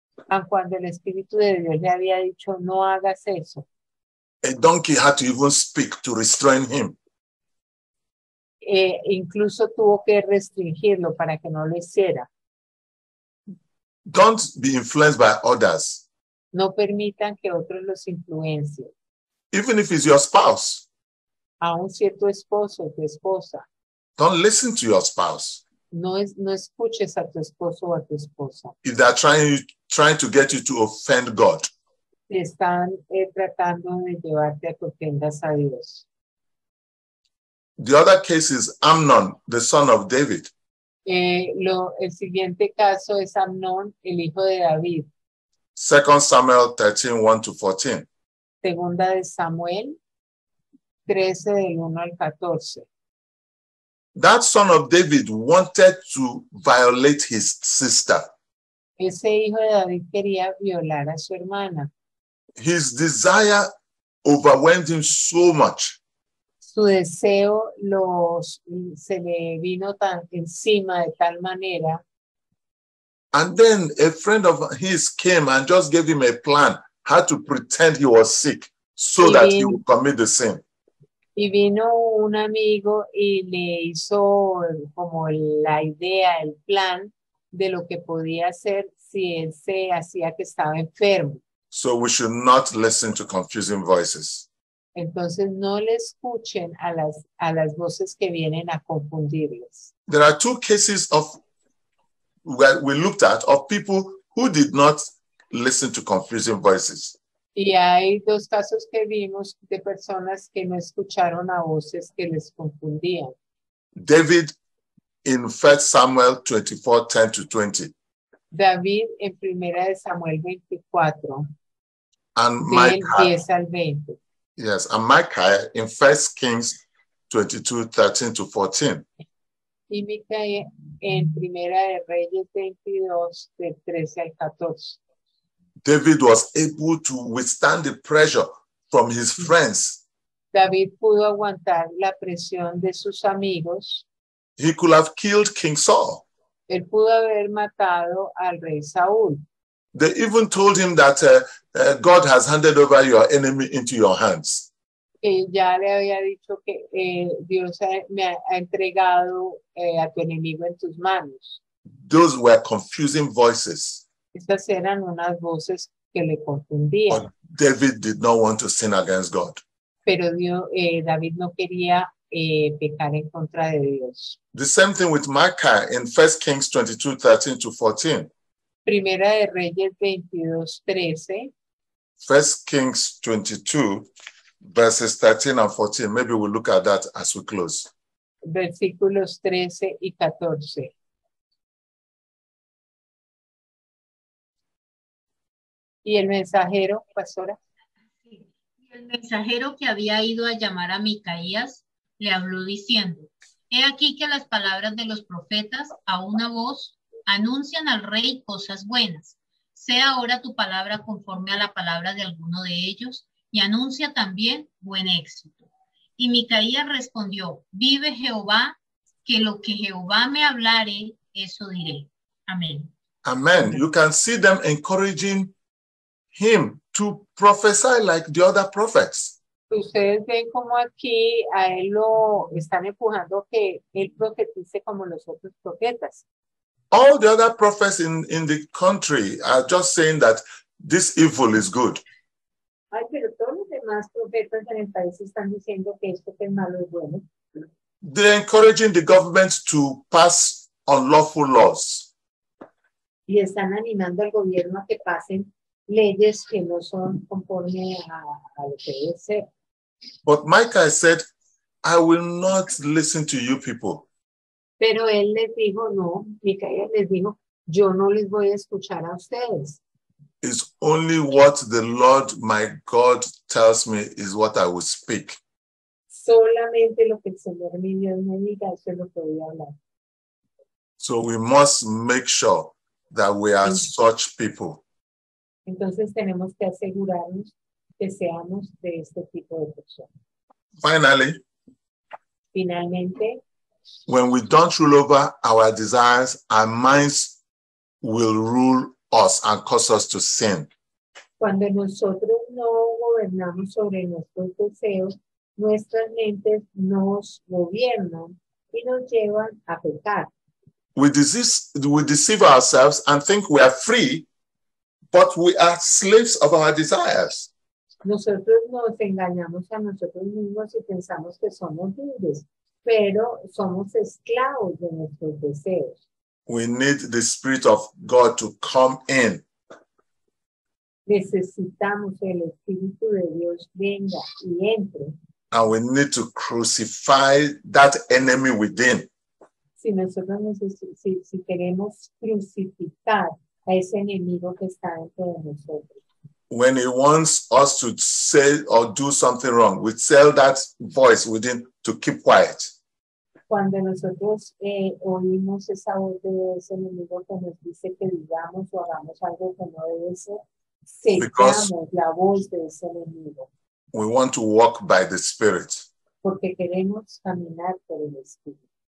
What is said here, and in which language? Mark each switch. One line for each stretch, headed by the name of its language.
Spanish: Y cuando el Espíritu de Dios le había dicho, no hagas eso.
English: A donkey had to even speak to restrain him.
Spanish: Incluso tuvo que restringirlo para que no lo hiciera.
English: Don't be influenced by others.
Spanish: No permitan que otros los influencien.
English: Even if it's your spouse.
Spanish: Aun si es tu esposo o tu esposa.
English: Don't listen to your spouse.
Spanish: No escuches a tu esposo o a tu esposa.
English: If they are trying to get you to offend God.
Spanish: Están tratando de llevarte a que ofendas a Dios.
English: The other case is Amnon, the son of David.
Spanish: El siguiente caso es Amnon, el hijo de David.
English: 2 Samuel 13:1-14.
Spanish: Segunda de Samuel 13 del 1 al 14.
English: That son of David wanted to violate his sister.
Spanish: Ese hijo de David quería violar a su hermana.
English: His desire overwhelmed him so much.
Spanish: Su deseo se le vino tan encima de tal manera.
English: And then a friend of his came and just gave him a plan how to pretend he was sick so that he would commit the sin.
Spanish: Y vino un amigo y le hizo como la idea, el plan de lo que podía hacer si él se hacía que estaba enfermo.
English: So we should not listen to confusing voices.
Spanish: Entonces no le escuchen a las voces que vienen a confundirles.
English: There are two cases of what we looked at of people who did not listen to confusing voices.
Spanish: Y hay dos casos que vimos de personas que no escucharon a voces que les confundían.
English: David in 1 Samuel 24:10 to 20.
Spanish: David en Primera de Samuel 24.
English: And Micah.
Spanish: 10 al 20.
English: Yes, and Micah in 1 Kings 22:13 to 14.
Spanish: Y Micah en Primera de Reyes 22 de 13 al 14.
English: David was able to withstand the pressure from his friends.
Spanish: David pudo aguantar la presión de sus amigos.
English: He could have killed King Saul.
Spanish: Él pudo haber matado al rey Saúl.
English: They even told him that God has handed over your enemy into your hands.
Spanish: Él ya le había dicho que Dios me ha entregado a tu enemigo en tus manos.
English: Those were confusing voices.
Spanish: Estas eran unas voces que le confundían.
English: But David did not want to sin against God.
Spanish: Pero David no quería pecar en contra de Dios.
English: The same thing with Micah in 1 Kings 22:13 to 14.
Spanish: Primera de Reyes 22:13.
English: 1 Kings 22, verses 13 and 14. Maybe we'll look at that as we close.
Spanish: Versículos 13 y 14. ¿Y el mensajero, pastora? Sí. El mensajero que había ido a llamar a Micaías le habló diciendo, he aquí que las palabras de los profetas a una voz anuncian al rey cosas buenas. Sea ahora tu palabra conforme a la palabra de alguno de ellos y anuncia también buen éxito. Y Micaías respondió, vive Jehová, que lo que Jehová me hablare, eso diré. Amén. Amén.
English: You can see them encouraging him to prophesy like the other prophets.
Spanish: Ustedes ven como aquí a él lo están empujando que él profetice como los otros profetas.
English: All the other prophets in the country are just saying that this evil is good.
Spanish: Ay, pero todos los demás profetas en el país están diciendo que esto que es malo es bueno.
English: They're encouraging the government to pass unlawful laws.
Spanish: Y están animando al gobierno a que pasen leyes que no son conforme a lo que debe ser.
English: But Micah said, I will not listen to you people.
Spanish: Pero él les dijo, no, Micaías les dijo, yo no les voy a escuchar a ustedes.
English: It's only what the Lord, my God, tells me is what I will speak.
Spanish: Solamente lo que el Señor mi Dios me diga, eso es lo que voy a hablar.
English: So we must make sure that we are such people.
Spanish: Entonces tenemos que asegurarnos que seamos de este tipo de personas.
English: Finally,
Spanish: finalmente,
English: when we don't rule over our desires, our minds will rule us and cause us to sin.
Spanish: Cuando nosotros no gobernamos sobre nuestros deseos, nuestras mentes nos gobiernan y nos llevan a pecar.
English: We deceive ourselves and think we are free. But we are slaves of our desires.
Spanish: Nosotros nos engañamos a nosotros mismos y pensamos que somos libres, pero somos esclavos de nuestros deseos.
English: We need the Spirit of God to come in.
Spanish: Necesitamos el Espíritu de Dios venga y entre.
English: And we need to crucify that enemy within.
Spanish: Si nosotros si queremos crucificar a ese enemigo que está dentro de nosotros.
English: When he wants us to say or do something wrong, we tell that voice within to keep quiet.
Spanish: cuando nosotros oímos esa voz de ese enemigo que nos dice que digamos o hagamos algo que no debe ser, sentamos la voz de ese enemigo.
English: We want to walk by the Spirit.
Spanish: Porque queremos caminar por el Espíritu.